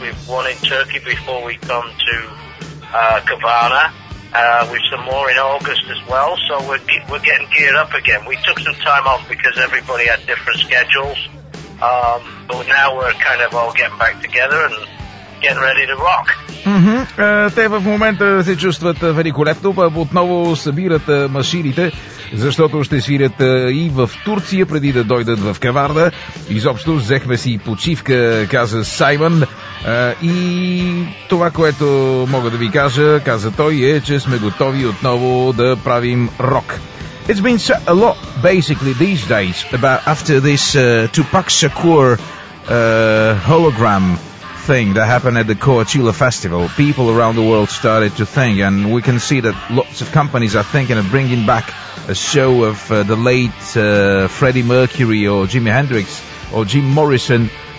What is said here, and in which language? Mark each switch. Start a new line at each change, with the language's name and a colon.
English: We've won in Turkey before we come to Cabana. We've some more in August as well, so we're getting geared up again. We took some time off because everybody had different schedules. But now we're kind of all getting back together and getting ready to rock.
Bulgarian: Те в момента се чувстват великолепно, пък отново събират машините, защото ще свирят и в Турция, преди да дойдат в Каварда. Изобщо взехме си почивка, каза Саймън. И това, което мога да ви кажа, каза той, е, че сме готови отново да правим рок.
English: It's been a lot, basically, these days, about after this Tupac Shakur hologram thing that happened at the Coachella Festival. People around the world started to think, and we can see that lots of companies are thinking of bringing back a show of the late Freddie Mercury or Jimi Hendrix or Jim Morrison.